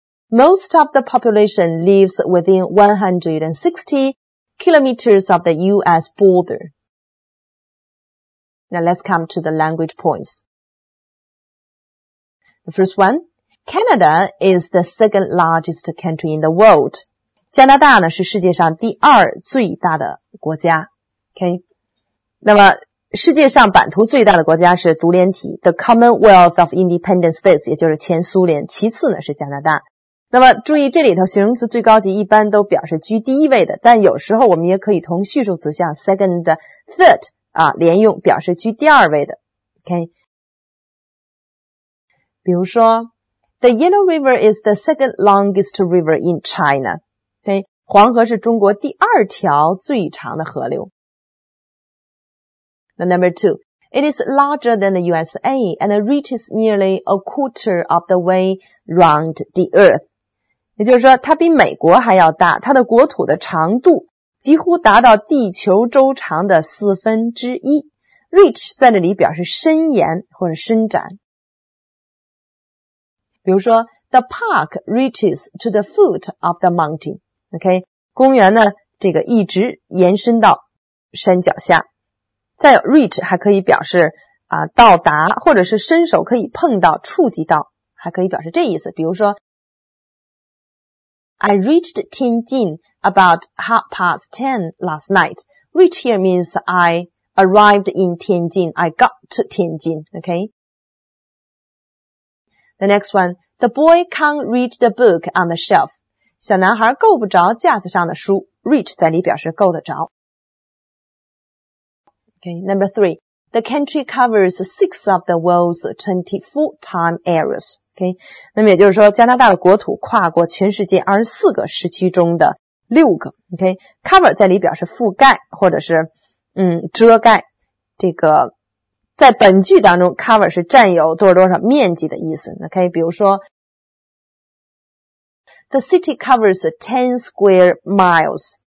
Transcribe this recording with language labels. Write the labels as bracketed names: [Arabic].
[English] Most of the population lives within 160 kilometers of the U.S. border. Now let's come to the language points. The first one, Canada is the second largest country in the world. [Chinese] 加拿大呢是世界上第二最大的国家。 [English] Okay. [Chinese] 那么世界上版图最大的国家是独联体 [English] The Commonwealth of Independent States, [Chinese] 也就是前苏联，其次呢是加拿大。那么注意这里头形容词最高级一般都表示居第一位的，但有时候我们也可以同叙述词像 second, third, 啊连用表示居第二位的。 [English] Okay. [Chinese] 比如说 [English] The Yellow River is the second longest river in China. Okay. [Chinese] 黄河是中国第二条最长的河流。 [English] Now, number two, it is larger than the USA and it reaches nearly a quarter of the way round the earth. [Chinese] 也就是说它比美国还要大，它的国土的长度几乎达到地球周长的四分之一。 Reach 在这里表示伸延或者伸展。比如说 [English] the park reaches to the foot of the mountain. Okay, [Chinese] 公园呢这个一直延伸到山脚下。再有 reach 还可以表示啊到达，或者是伸手可以碰到触及到，还可以表示这意思。比如说 [English] I reached Tianjin about 10:30 last night. Reach here means I arrived in Tianjin. I got to Tianjin. Okay. The next one, the boy can't reach the book on the shelf. [Chinese] 小男孩够不着架子上的书， reach 在里表示够得着。 [English] Okay, number three, the country covers 6 of the world's 24 time areas. Okay, [Chinese] 那么也就是说加拿大的国土跨过全世界24个时区中的6个。 [English] Okay, [Chinese] cover 在里表示覆盖或者是遮盖。这个在本句当中 cover 是占有多少多少面积的意思。 [English] Okay, [Chinese] 比如说 [English] The city covers 10 square miles.